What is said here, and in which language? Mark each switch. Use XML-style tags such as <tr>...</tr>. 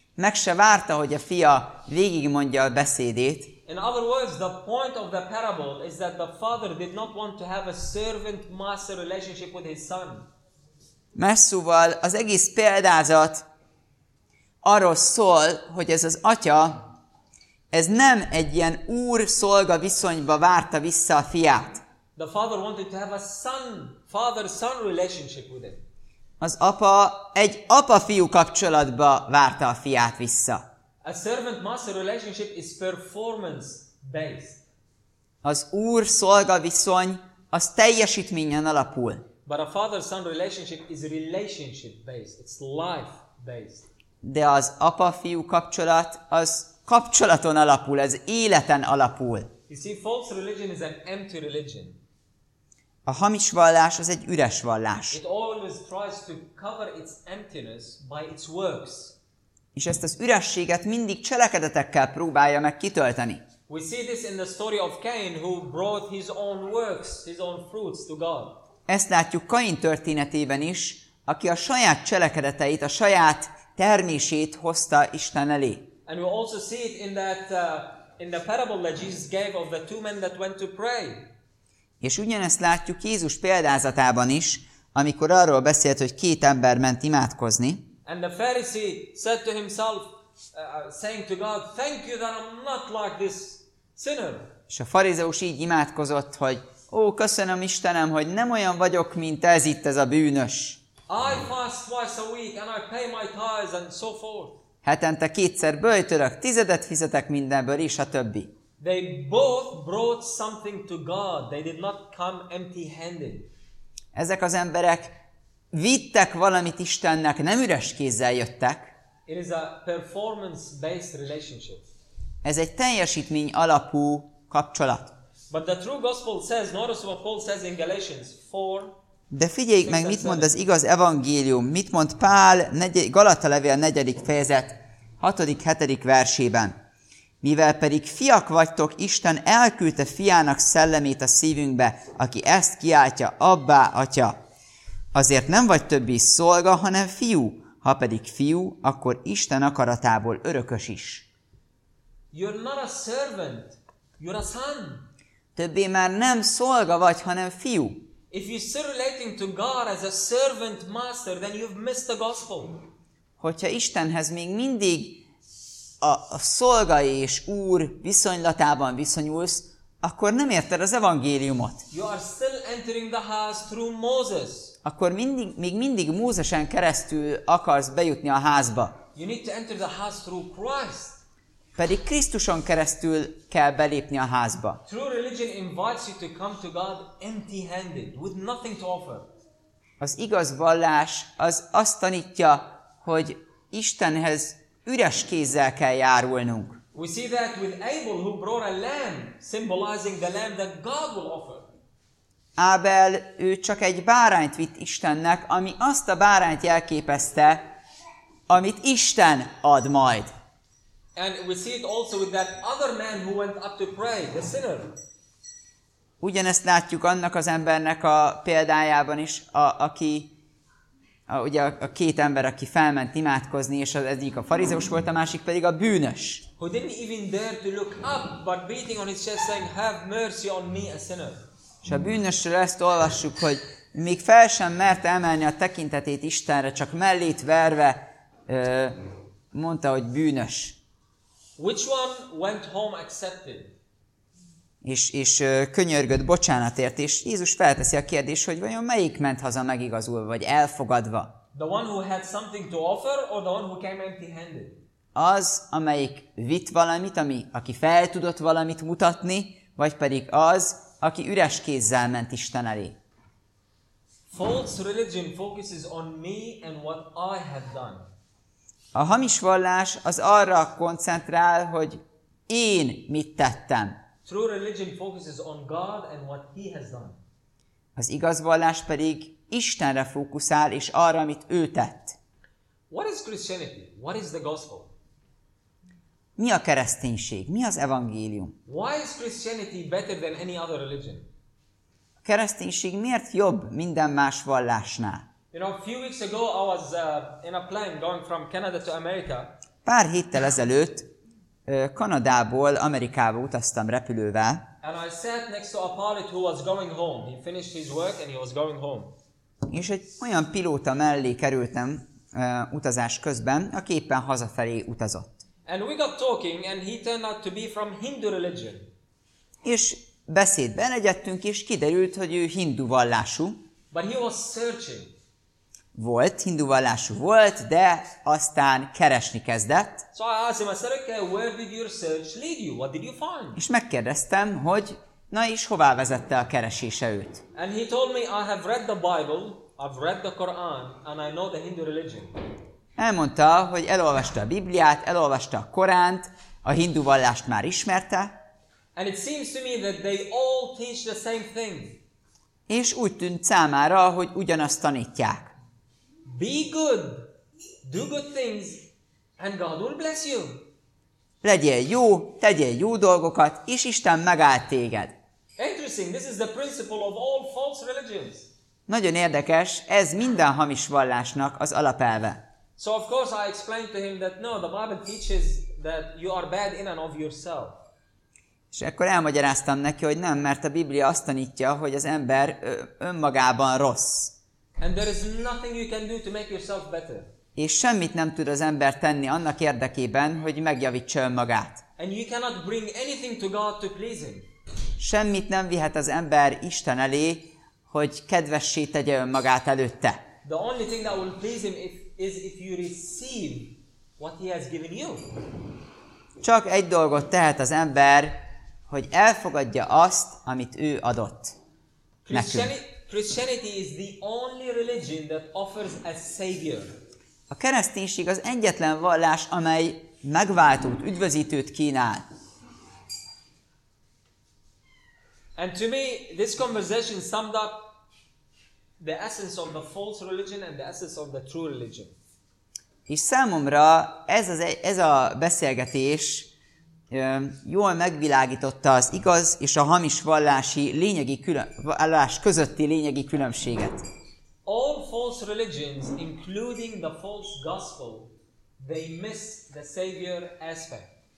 <hu>Meg se várta, hogy a fia végigmondja a beszédét.</hu> <en>In other words, the point of the parable is that the father did not want to have a servant-master relationship with his son.</en> <hu>Más szóval az egész példázat arról szól, hogy ez az atya, ez nem egy ilyen úr-szolga viszonyba várta vissza a fiát.</hu> <en>The father wanted to have a son, father-son relationship with him.</en> <hu>Az apa egy apa-fiú kapcsolatba várta a fiát vissza.</hu> <en>A servant-master relationship is performance-based.</en> <hu>Az úr-szolga viszony az teljesítményen alapul.</hu> <en>But a father-son relationship is relationship-based. It's life-based.</en> <hu>De az apa-fiú kapcsolat az kapcsolaton alapul, ez életen alapul.</hu> <en>You see, false religion is an empty religion.</en> <hu>A hamis vallás az egy üres vallás.</hu> <en>It always tries to cover its emptiness by its works.</en> <hu>És ezt az ürességet mindig cselekedetekkel próbálja meg kitölteni.</hu> <en>We see this in the story of Cain, who brought his own works, his own fruits to God.</en> <hu>Ezt látjuk Kain történetében is, aki a saját cselekedeteit, a saját termését hozta Isten elé.</hu> <en>And we also see it in that in the parable that Jesus gave of the two men that went to pray.</en> <hu>És ugyanezt látjuk Jézus példázatában is, amikor arról beszélt, hogy két ember ment imádkozni.</hu> <en>And the Pharisee said to himself, saying to God, thank you that I'm not like this sinner.</en> <hu>És a farizeus így imádkozott, hogy ó, köszönöm Istenem, hogy nem olyan vagyok, mint ez itt ez a bűnös.</hu> <en>I fast twice a week and I pay my tithes and so forth.</en> <hu>Hetente kétszer böjtörök, tizedet fizetek mindenből, és a többi.</hu> <en>They both brought something to God. They did not come empty-handed.</en> <hu>Ezek az emberek vittek valamit Istennek, nem üres kézzel jöttek.</hu> <en>It is a performance-based relationship.</en> <hu>Ez egy teljesítmény alapú kapcsolat.</hu> <en>But the true gospel says, notice what Paul says in Galatians 4.</en> <hu>De figyeljék meg, mit mond az igaz evangélium, mit mond Pál Galata levél 4. fejezet 6.-7. versében. Mivel pedig fiak vagytok, Isten elküldte fiának szellemét a szívünkbe, aki ezt kiáltja, Abbá, Atya. Azért nem vagy többi szolga, hanem fiú. Ha pedig fiú, akkor Isten akaratából örökös is.</hu> <en>You're not a servant, you're a son.</en> <hu>Többé már nem szolga vagy, hanem fiú.</hu> <en>If you start relating to God as a servant master, then you've missed the gospel.</en> <hu>Hogyha Istenhez még mindig a szolga és úr viszonylatában viszonyulsz, akkor nem érted az evangéliumot.</hu> <en>You are still entering the house through Moses.</en> <hu>Akkor még mindig Mózesen keresztül akarsz bejutni a házba.</hu> <en>You need to enter the house through Christ.</en> <hu>Pedig Krisztuson keresztül kell belépni a házba.</hu> <en>True religion invites you to come to God empty-handed, with nothing to offer.</en> <hu>Az igaz vallás az azt tanítja, hogy Istenhez üres kézzel kell járulnunk.</hu> <en>We see that with Abel, who brought a lamb, symbolizing the lamb that God will offer.</en> <hu>Ábel, ő csak egy bárányt vitt Istennek, ami azt a bárányt jelképezte, amit Isten ad majd.</hu> <en>And we see it also with that other man who went up to pray, the sinner.</en> <hu>Ugyanezt látjuk annak az embernek a példájában is, aki két ember, aki felment imádkozni, és az egyik a farizeus volt, a másik pedig a bűnös.</hu> <en>Who didn't even dare to look up, but beating on his chest saying, have mercy on me, a sinner.</en> <hu>És a bűnösről ezt olvassuk, hogy még fel sem mert emelni a tekintetét Istenre, csak mellét verve mondta, hogy bűnös.</hu> <en>Which one went home accepted?</en> <hu>És könyörgött bocsánatért, és Jézus felteszi a kérdést, hogy vajon melyik ment haza megigazulva, vagy elfogadva?</hu> <en>The one who had something to offer, or the one who came empty-handed?</en> <hu>Az, amelyik vitt valamit, aki fel tudott valamit mutatni, vagy pedig az, aki üres kézzel ment Isten elé.</hu> <en>False religion focuses on me and what I have done.</en> <hu>A hamis vallás az arra koncentrál, hogy én mit tettem.</hu> <en>True religion focuses on God and what he has done.</en> <hu>Az igaz vallás pedig Istenre fókuszál és arra, amit ő tett.</hu> <en>What is Christianity? What is the gospel?</en> <hu>Mi a kereszténység? Mi az evangélium?</hu> <en>Why is Christianity better than any other religion?</en> <hu>A kereszténység miért jobb minden más vallásnál?</hu> <en>You know, a few weeks ago I was in a plane going from Canada to America.</en> <hu>Pár héttel ezelőtt Kanadából Amerikába utaztam repülővel.</hu> <en>And I sat next to a pilot who was going home. He finished his work and he was going home.</en> <hu>És egy olyan pilóta mellé kerültem utazás közben, aki éppen hazafelé utazott.</hu> <en>And we got talking and he turned out to be from Hindu religion.</en> <hu>És beszédben egyettünk, és kiderült, hogy ő hindu vallású.</hu> <en>But he was searching.</en> <hu>Volt, hindu vallású volt, de aztán keresni kezdett.</hu> <en>So I asked him, I said, okay, where did your search lead you? What did you find?</en> <hu>És megkérdeztem, hogy na és hová vezette a keresése őt.</hu> <en>And he told me, I have read the Bible, I've read the Quran, and I know the Hindu religion.</en> <hu>Elmondta, hogy elolvasta a Bibliát, elolvasta a Koránt, a hindu vallást már ismerte.</hu> <en>And it seems to me that they all teach the same thing.</en> <hu>És úgy tűnt számára, hogy ugyanazt tanítják.</hu> <en>Be good, do good things, and God will bless you.</en> <hu>Legyél jó, tegyél jó dolgokat, és Isten megáld téged.</hu> <en>Interesting, this is the principle of all false religions.</en> <hu>Nagyon érdekes, ez minden hamis vallásnak az alapelve.</hu> <en>So of course I explained to him that no, the Bible teaches that you are bad in and of yourself.</en> <hu>És akkor elmagyaráztam neki, hogy nem, mert a Biblia azt tanítja, hogy az ember önmagában rossz.</hu> <en>And there is nothing you can do to make yourself better.</en> <hu>És semmit nem tud az ember tenni annak érdekében, hogy megjavítsa önmagát.</hu> <en>And you cannot bring anything to God to please him.</en> <hu>Semmit nem vihet az ember Isten elé, hogy kedvessé tegye önmagát előtte.</hu> <en>The only thing that will please him is if you receive what he has given you.</en> <hu>Csak egy dolgot tehet az ember, hogy elfogadja azt, amit ő adott nekünk.</hu> <en>Christianity is the only religion that offers a savior.</en> <hu>A kereszténység az egyetlen vallás, amely megváltót, üdvözítőt kínál.</hu> <en>And to me, this conversation summed up the essence of the false religion and the essence of the true religion.</en> <hu>És számomra ez a beszélgetés jól megvilágította az igaz és a hamis vallási lényegi vallás közötti lényegi különbséget.</hu> <en>All false religions, including the false gospel, they miss the savior aspect.</en>